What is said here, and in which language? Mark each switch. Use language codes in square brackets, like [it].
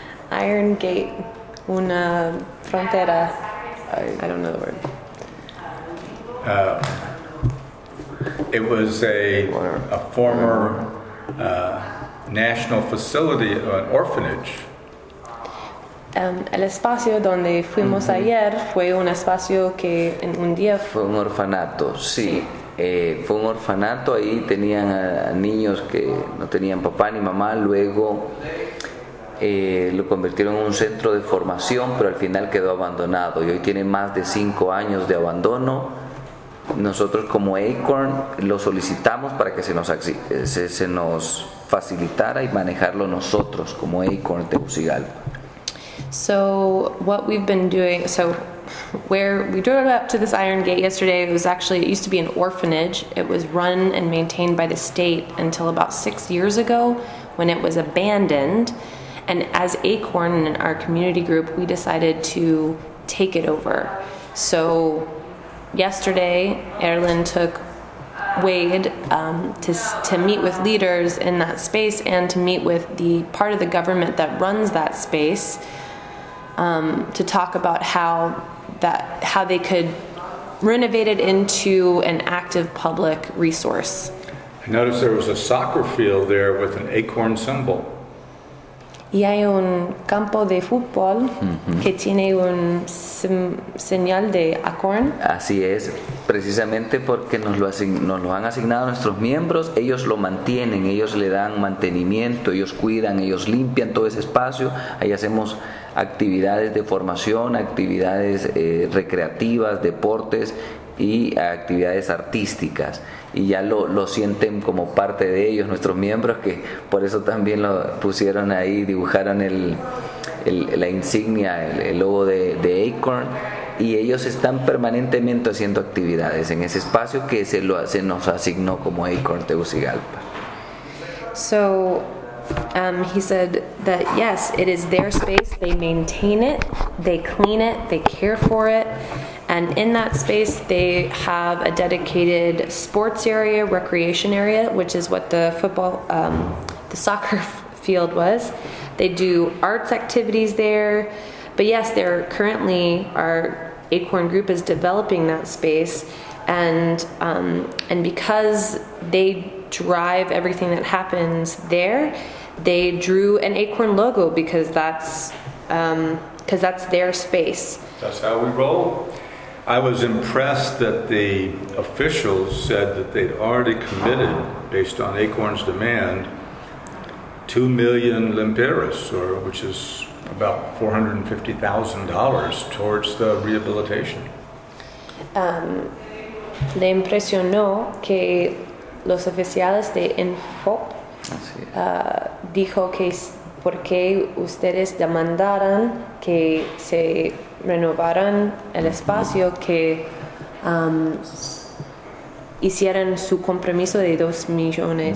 [en] Iron gate. [es] Una frontera. [en] I don't know the word. It was a former national facility, an orphanage. [es] El espacio donde fuimos mm-hmm. ayer fue un espacio que en un día fue un orfanato, sí. Fue un orfanato, ahí tenían a niños que no tenían papá ni mamá, luego lo convirtieron en un centro de formación, pero al final quedó abandonado y hoy tiene más de 5 años de abandono. Nosotros como Acorn lo solicitamos para que se nos facilitara y manejarlo nosotros como Acorn Tegucigalpa. [en] So what we've been doing, so where we drove up to this iron gate yesterday, it used to be an orphanage. It was run and maintained by the state until about 6 years ago when it was abandoned. And as ACORN and our community group, we decided to take it over. So yesterday, Erlyn took Wade to meet with leaders in that space and to meet with the part of the government that runs that space to talk about how they could renovate it into an active public resource. I noticed there was a soccer field there with an ACORN symbol. [es] Y hay un campo de fútbol que tiene un señal de ACORN. Así es, precisamente porque nos lo han asignado a nuestros miembros, ellos lo mantienen, ellos le dan mantenimiento, ellos cuidan, ellos limpian todo ese espacio, ahí hacemos actividades de formación, actividades recreativas, deportes y actividades artísticas. Y ya lo sienten como parte de ellos, nuestros miembros, que por eso también lo pusieron ahí, dibujaron la insignia, el logo de ACORN. Y ellos están permanentemente haciendo actividades en ese espacio que se nos asignó como ACORN Tegucigalpa. [en] So, he said that yes, it is their space, they maintain it, they clean it, they care for it. And in that space, they have a dedicated sports area, recreation area, which is what the football, the soccer field was. They do arts activities there. But yes, they're currently, our ACORN group is developing that space. And because they drive everything that happens there, they drew an ACORN logo because that's their space. That's how we roll. I was impressed that the officials said that they'd already committed, based on ACORN's demand, 2 million lempiras, or which is about $450,000, towards the rehabilitation. [es] Le impresionó que los oficiales de INFOP dijo que por qué ustedes demandaran que se renovaran el espacio, que hicieran su compromiso de 2 millones.